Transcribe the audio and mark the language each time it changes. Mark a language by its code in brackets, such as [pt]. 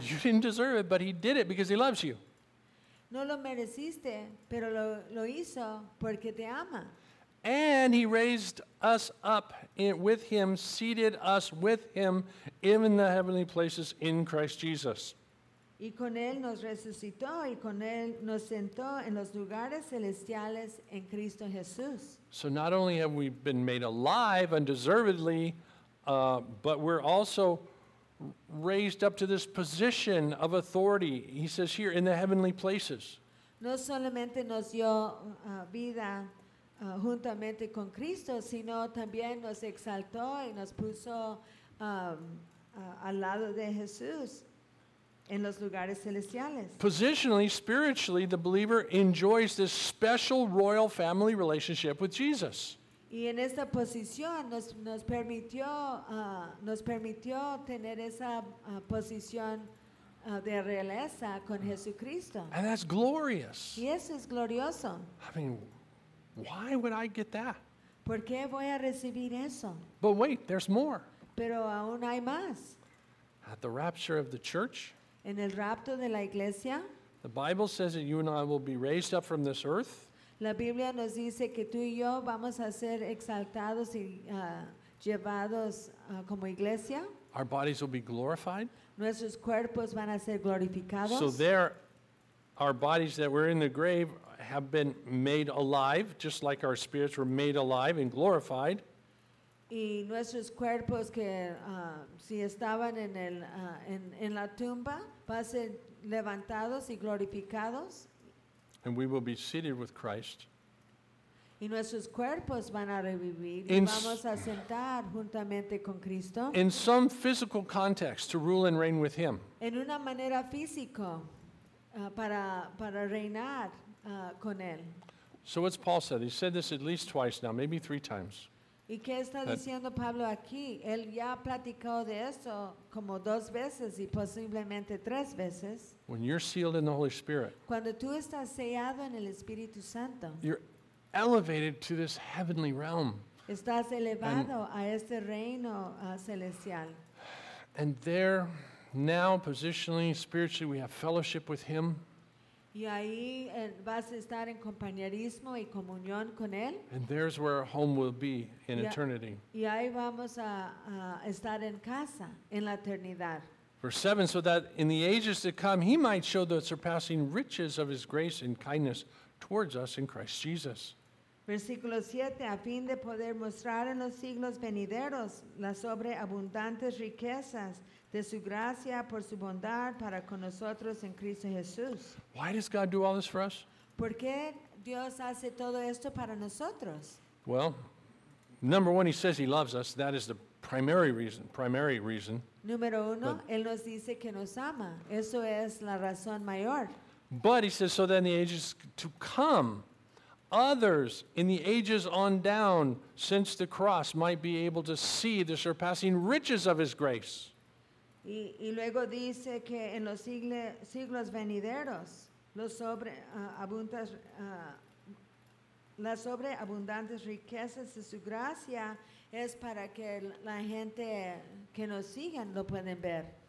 [en] You didn't deserve it, but he did it because he loves you. [es] No lo mereciste, pero lo hizo porque te ama. [en] And he raised us up with him, seated us with him in the heavenly places in Christ Jesus. [es] Y con él nos resucitó y con él nos sentó en los lugares celestiales en Cristo Jesús. [en] So not only have we been made alive undeservedly, but we're also raised up to this position of authority, he says here, in the heavenly places. [es] No solamente nos dio vida juntamente con Cristo, sino también nos exaltó y nos puso al lado de Jesús en los lugares celestiales. [en] Positionally, spiritually, the believer enjoys this special royal family relationship with Jesus. [es] Y en esta posición nos permitió tener esa posición de realeza con Jesucristo. [en] And that's glorious. [es] Y eso es glorioso. [en] I mean, why would I get that? [es] ¿Por qué voy a recibir eso? [en] But wait, there's more. [es] Pero aún hay más. [en] At the rapture of the church. [es] En el rapto de la iglesia. [en] The Bible says that you and I will be raised up from this earth. [es] La Biblia nos dice que tú y yo vamos a ser exaltados y llevados como iglesia. [en] Our bodies will be glorified. [es] Nuestros cuerpos van a ser glorificados. [en] So there, our bodies that were in the grave have been made alive, just like our spirits were made alive and glorified. [es] Y nuestros cuerpos que si estaban en el en la tumba van a ser levantados y glorificados. [en] And we will be seated with Christ. [es] Y nuestros cuerpos van a revivir. Vamos a sentar juntamente con Cristo. [en] In some physical context, to rule and reign with Him. [es] En una manera físico, para reinar con él. [en] So what's Paul said? He said this at least twice now, maybe three times. [es] ¿Y qué está diciendo Pablo aquí? Él ya ha platicado de eso como dos veces y posiblemente tres veces. [en] When you're sealed in the Holy Spirit, [es] cuando tú estás sellado en el Espíritu Santo, [en] you're elevated to this heavenly realm. [es] Estás elevado a este reino celestial. [en] And there, now, positionally, spiritually, we have fellowship with Him. [es] Y ahí vas a estar en compañerismo y comunión con él. [en] And there's where our home will be in eternity. [es] Y ahí vamos a estar en casa en la eternidad. [en] Verse 7, so that in the ages to come he might show the surpassing riches of his grace and kindness towards us in Christ Jesus. [es] Versículo 7, a fin de poder mostrar en los siglos venideros las sobreabundantes riquezas de su gracia por su bondad para con nosotros en Cristo Jesús. [en] Why does God do all this for us? [es] ¿Por qué Dios hace todo esto para nosotros? [en] Well, number one, he says he loves us. That is the primary reason. [es] Número uno, él nos dice que nos ama. Eso es la razón mayor. [en] But he says, so then the ages to come, others in the ages on down since the cross might be able to see the surpassing riches of his grace. [es] Y luego dice que en los siglos venideros las sobreabundantes riquezas de su gracia es para que la gente que nos sigan lo pueden ver.